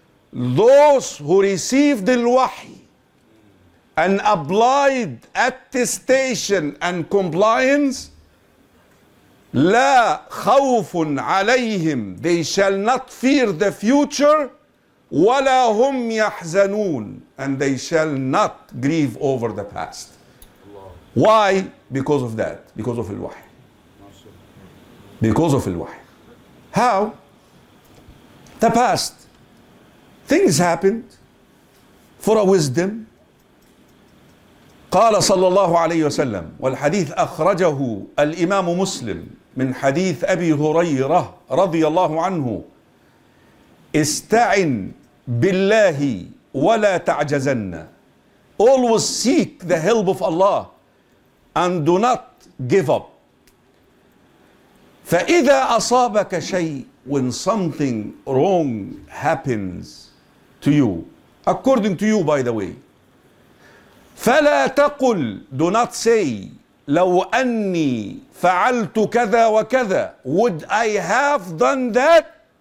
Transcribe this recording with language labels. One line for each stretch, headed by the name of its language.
English: Those who received the wahi and applied attestation and compliance,
Arabic: لا خوف عليهم,
English: they shall not fear the future,
Arabic: ولا هم يحزنون,
English: and they shall not grieve over the past. Why? Because of that. Because of al-wahy. Because of al-wahy. How? The past. Things happened for a wisdom.
Arabic: قال صلى الله عليه وسلم, والحديث أخرجه الإمام مسلم من حديث أبي هريرة رضي الله عنه, استعن بالله ولا تعجزن.
English: Always seek the help of Allah and do not give up.
Arabic: فإذا أصابك شيء,
English: when something wrong happens to you, according to you by the way,
Arabic: فلا تقل,
English: do not say,
Arabic: لو أني فعلت كذا وكذا,
English: would I have done that?